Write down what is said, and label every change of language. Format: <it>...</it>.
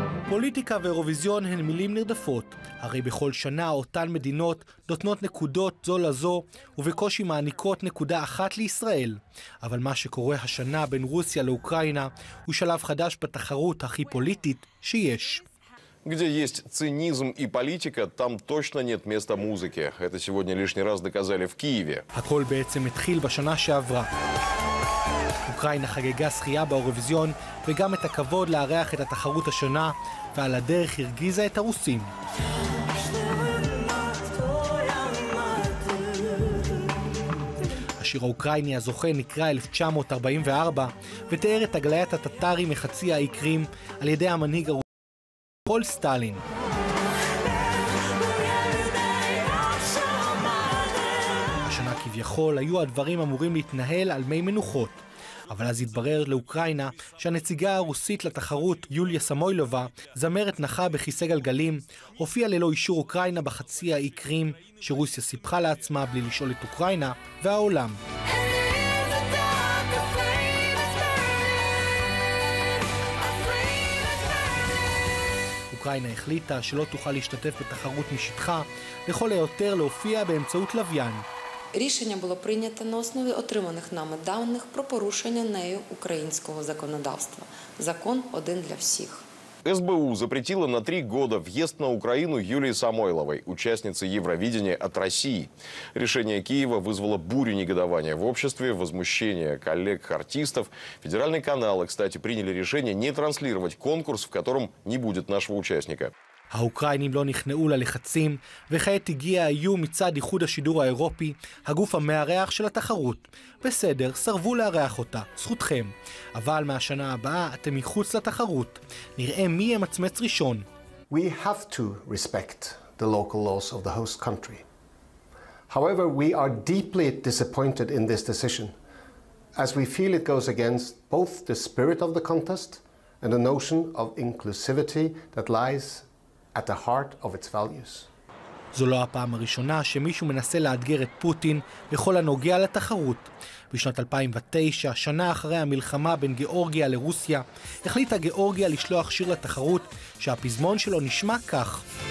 <he>פוליטיקה ואירוויזיון הן מילים נרדפות. הרי בכל שנה אותן מדינות נותנות נקודות זו לזו, ובקושי מעניקות נקודה אחת לישראל. אבל מה שקורה השנה בין רוסיה לאוקראינה הוא שלב חדש בתחרות הכי פוליטית שיש.</he> <ru>Где есть цинизм и политика, там точно нет места музыке. Это сегодня лишний раз доказали в Киеве.</ru> <he>הכל בעצם התחיל בשנה שעברה. אוקראינה חגגה שחייה באירוויזיון וגם את הכבוד לארח את התחרות השנה, ועל הדרך הרגיזה את הרוסים. השיר האוקראיני הזוכה נקרא 1944 ותיאר את הגליית הטטרים מחצי האי קרים על ידי המנהיג הרוסי פול סטלין. השנה כביכול היו הדברים אמורים להתנהל על מי מנוחות, אבל אז התברר לאוקראינה שהנציגה הרוסית לתחרות, יוליה סמוילובה, זמרת נחה בכיסא גלגלים, הופיעה ללא אישור אוקראינה בחצי האי קרים, שרוסיה סיפחה לעצמה בלי לשאול את אוקראינה והעולם. אוקראינה החליטה שלא תוכל להשתתף בתחרות משטחה, לכל היותר להופיע באמצעות לוויין.</he> <uk>Рішення було прийнято на основі отриманих нами даних про порушення нею українського законодавства. Закон один для всіх.</uk> <ru>СБУ запретило на 3 года въезд на Украину Юлии Самойловой, участнице Евровидения от России. Решение Киева вызвало бурю негодования в обществе, возмущение коллег-артистов. Федеральные каналы, кстати, приняли решение не транслировать конкурс, в котором не будет нашего участника.</ru> <he>האוקראינים לא נכנעו ללחצים, וכעת הגיע האיום מצד איחוד השידור האירופי, הגוף המארח של התחרות. בסדר, סרבו לארח אותה, זכותכם. אבל מהשנה הבאה אתם מחוץ לתחרות. נראה מי ימצמץ ראשון.</he> <en>We have to respect the local laws of the host country. However, we are deeply disappointed in this decision, as we feel it goes against both the spirit of the contest and the notion of inclusivity that lies at the heart of its values.</en> <he>זו לא הפעם הראשונה שמישהו מנסה לאתגר את פוטין בכל הנוגע לתחרות. בשנת 2009, שנה אחרי המלחמה בין גיאורגיה לרוסיה, החליטה גיאורגיה לשלוח שיר לתחרות שהפזמון שלו נשמע כך.</he>